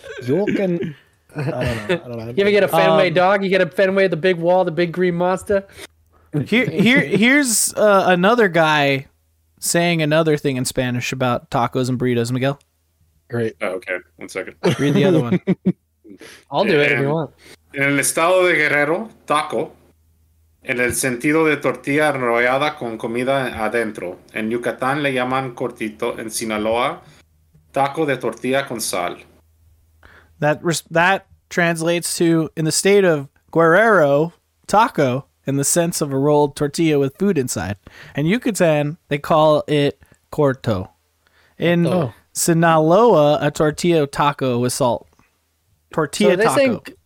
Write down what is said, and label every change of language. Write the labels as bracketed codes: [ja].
[en] I don't know. You ever get a Fenway dog? You get a Fenway, the big wall, the big green monster. Here's another guy saying another thing in Spanish about tacos and burritos, Miguel. Great. Oh, okay. 1 second. Read the other one. I'll do it if you want. [es] En el estado de Guerrero, taco. En el sentido de tortilla enrollada con comida adentro. En Yucatán le llaman cortito. En Sinaloa, taco de tortilla con sal. [en] That translates to, in the state of Guerrero, taco, in the sense of a rolled tortilla with food inside. In Yucatan, they call it corto. In Sinaloa, a tortilla taco with salt. Tortilla taco. Saying,